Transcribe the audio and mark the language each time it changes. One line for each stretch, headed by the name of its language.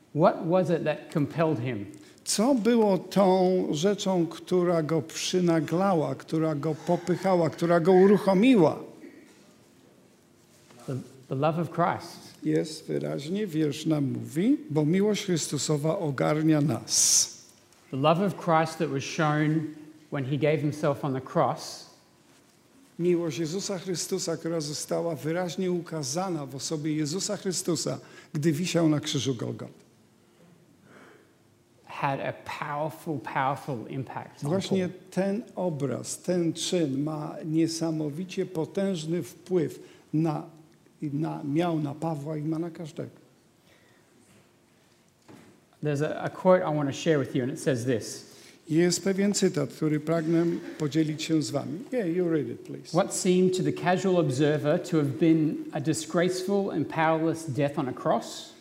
English: What was it that compelled him?
Polish: Co było tą rzeczą, która go przynaglała, która go popychała, która go uruchomiła?
English: The love of Christ.
Polish: Jest wyraźnie, wiersz nam mówi, bo miłość Chrystusowa ogarnia nas.
English: The love of Christ that was shown when he gave himself on the cross.
Polish: Miłość Jezusa Chrystusa, która została wyraźnie ukazana w osobie Jezusa Chrystusa, gdy wisiał na krzyżu Golgoty.
English: Had a powerful, powerful impact.
Polish: Właśnie ten obraz, ten czyn ma niesamowicie potężny wpływ na miał na Pawła i ma na każdego.
English: There's a quote I want to share with you, and it says this.
Polish: Jest pewien cytat, który pragnę podzielić się z wami.
English: Yeah, you read it, please. What seemed to the casual observer to have been a disgraceful and powerless death on a cross?